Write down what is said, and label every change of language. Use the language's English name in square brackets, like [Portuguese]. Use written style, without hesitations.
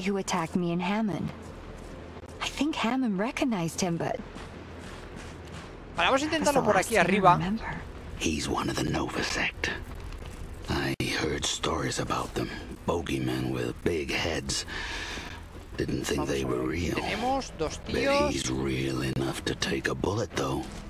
[English] Who attacked me and Hammond? I think Hammond recognized him, but. [Spanish] Vale, vamos a intentarlo por aquí arriba. [English] He's one of the Nova Sect. I heard stories about them. Bogeymen with big heads. Didn't think they were real. [Spanish] Tenemos dos tíos. [English] But he's real enough to take a bullet, though.